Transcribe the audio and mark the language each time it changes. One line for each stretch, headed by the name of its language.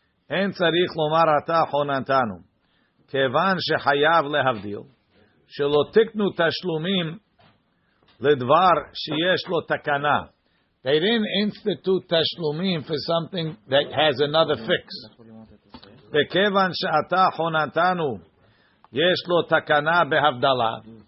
Hebrew: אין צריך לומר אתה חוננתנו, כיוון שחייב להבדיל, שלא תקנו תשלומים לדבר שיש לו תקנה.
English: They didn't institute תשלומים for something that has another fix.
Hebrew: וכיוון שאתה חוננתנו, יש לו תקנה בהבדלה.